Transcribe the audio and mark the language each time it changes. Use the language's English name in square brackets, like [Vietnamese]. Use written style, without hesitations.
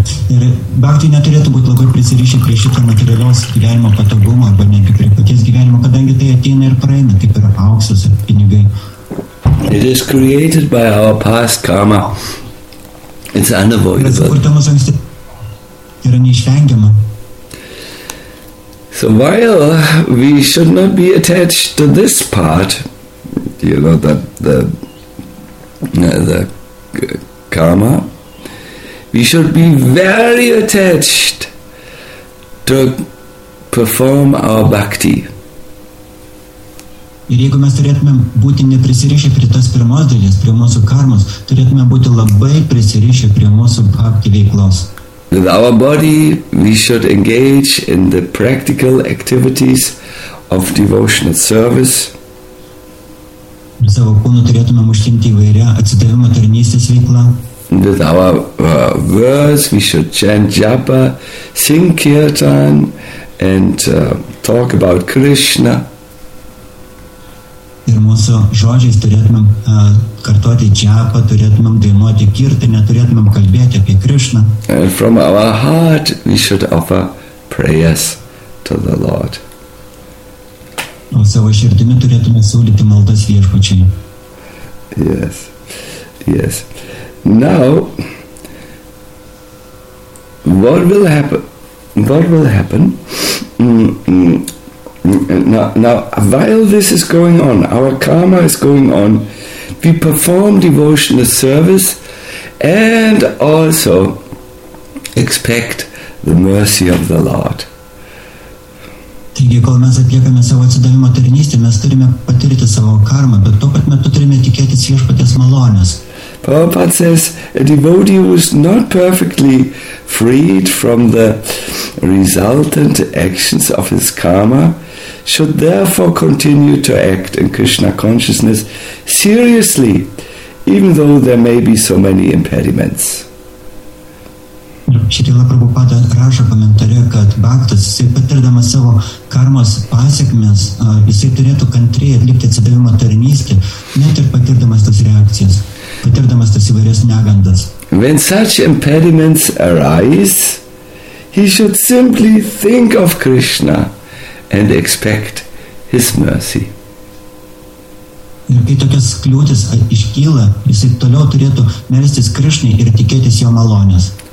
[Lithuanian] Ir bhakti neturėtų būti labai prisirišę prie šito materialios gyvenimo patogumo arba netgi prie paties gyvenimo, kadangi tai ateina ir praeina, kaip yra auksas ir pinigai. [English] It is created by our past karma. It's unavoidable. [Lithuanian] Yra neišvengiama. [English] So while we should not be attached to this part, you know, the karma, we should be very attached to perform our bhakti. [Lithuanian] Ir jeigu mes turėtumėm būti neprisirišę prie tos pirmos dalies, prie mūsų karmos, turėtumėm būti labai prisirišę prie mūsų bhakti veiklos. [English] With our body, we should engage in the practical activities of devotional service. [Lithuanian] Ir savo kūnu turėtumėm užsiimti įvairią atsidavimo tarnystės veiklą. [English] With our words, we should chant japa, sing kirtan, and talk about Krishna. [Lithuanian] Ir mūsų žodžiais turėtumėm kartuoti džiapą, turėtumėm dainuoti kirtinę, turėtumėm kalbėti apie Krishna. [English] And from our heart, we should offer prayers to the Lord. [Lithuanian] O savo širdimi turėtumėm siūlyti maldas viešpačiai. [English] Yes. Now, what will happen? Now, while this is going on, our karma is going on, we perform devotional service and also expect the mercy of the Lord. [Lithuanian] Taigi, kol mes atliekame savo atsidavimo tarnystę, mes turime patirti savo karmą, bet tuo pat metu turime tikėtis viešpaties malonės. [English] Prabhupada says, a devotee who is not perfectly freed from the resultant actions of his karma should therefore continue to act in Krishna consciousness seriously, even though there may be so many impediments. [Lithuanian] Srila Prabhupada rašo komentare, kad bhaktas, jisai patirdamas savo karmos pasekmes, jisai turėtų kantriai atlikti atsidavimo tarnystę, net ir patirdamas tas reakcijas. Patirdamas tas įvairias negandas. [English] When such impediments arise, he should simply think of Krishna and expect his mercy. [Lithuanian] Ir kai tokias kliūtis iškyla, jis toliau turėtų melstis Krishnai ir tikėtis jo malonės.